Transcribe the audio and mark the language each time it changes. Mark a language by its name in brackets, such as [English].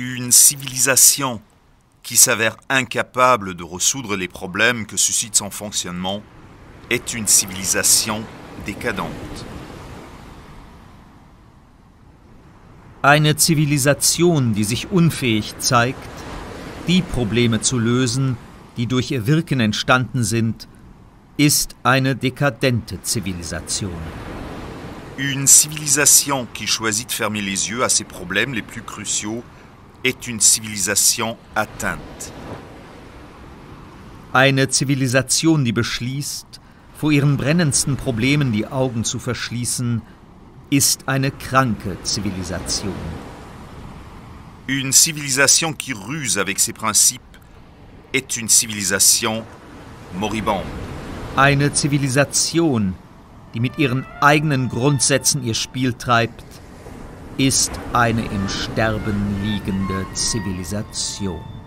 [French] civilisation qui s'avère incapable de résoudre les problèmes que suscite son fonctionnement est une civilisation décadente. [German] Eine Zivilisation, die sich unfähig zeigt, die Probleme zu lösen, die durch ihr Wirken entstanden sind, ist eine dekadente Zivilisation. [French] Une civilisation qui choisit de fermer les yeux à ses problèmes les plus cruciaux est une civilisation atteinte. [German] Eine Zivilisation, die beschließt, vor ihren brennendsten Problemen die Augen zu verschließen, ist eine kranke Zivilisation. [French] Une civilisation qui ruse avec ses principes est une civilisation moribonde. [German] Eine Zivilisation, die mit ihren eigenen Grundsätzen ihr Spiel treibt, ist eine im Sterben liegende Zivilisation.